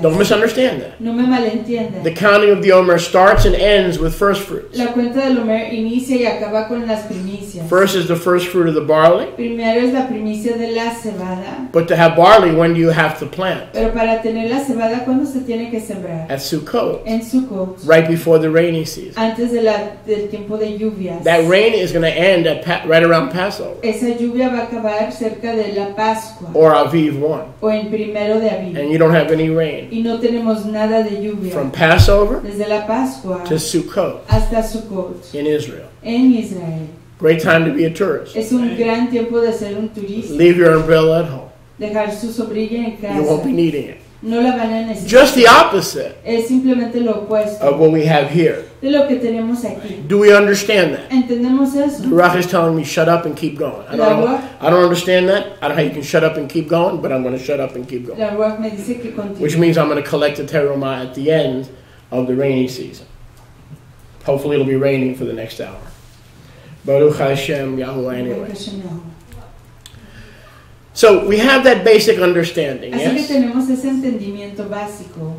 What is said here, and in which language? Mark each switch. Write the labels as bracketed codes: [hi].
[en] Don't misunderstand that. [es] No me malentiendas. [en] The counting of the Omer starts and ends with first fruits. [es] La cuenta del Omer inicia y acaba con las primicias. [en] First is the first fruit of the barley. [es] Primero es la primicia de la cebada. [en] But to have barley, when do you have to plant? [es] Pero para tener la cebada, ¿cuándo se tiene que sembrar? [en] At Sukkot. [es] En Sukkot. [en] Right before the rainy season. [es] Antes del tiempo de lluvias. [en] That rain is going to end at right around Passover. [es] Esa lluvia va a acabar cerca de la Pascua. [en] Or Aviv 1. [es] O en primero de Aviv. [en] And you don't have any rain. [es] Y no tenemos nada de lluvia. [en] From Passover. [es] Desde la Pascua. [en] To Sukkot. [es] Hasta Sukkot. [en] In Israel. [es] En Israel. [en] Great time to be a tourist. [es] Es un gran tiempo de ser un turista. [en] Leave your umbrella at home. [es] Dejar su sombrilla en casa. [en] You won't be needing it. [es] No la van a necesitar. [en] Just the opposite. [es] Es simplemente lo opuesto. [en] Of what we have here. [es] De lo que tenemos aquí. [en] Do we understand that? [es] ¿Entendemos eso? [en] The Ruach is telling me shut up and keep going. I don't understand that. I don't know how you can shut up and keep going, but I'm going to shut up and keep going. [es] La Ruach me dice que continúe. [en] Which means I'm going to collect the teruma at the end of the rainy season. Hopefully it'll be raining for the next hour. [he] Baruch Hashem Yahuwah anyway. [en] So we have that basic understanding, [es] así [en] yes? [es] Que tenemos ese entendimiento básico.